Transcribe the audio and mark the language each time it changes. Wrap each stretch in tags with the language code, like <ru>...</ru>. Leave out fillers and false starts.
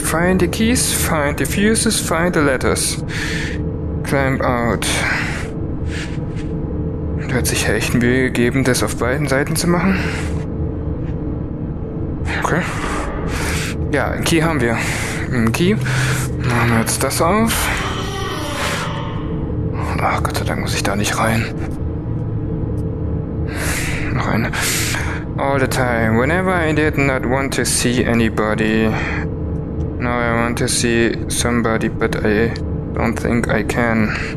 <en>Find the keys, find the fuses, find the letters. Climb out.</en> <de>Da hat sich ja echt Mühe gegeben, das auf beiden Seiten zu machen. Okay. Ja, einen Key haben wir. Einen Key. Machen wir jetzt das auf. Ach Gott sei Dank muss ich da nicht rein. Noch eine.</de> <en>All the time. Whenever I did not want to see anybody. Now I want to see somebody, but I don't think I can.</en>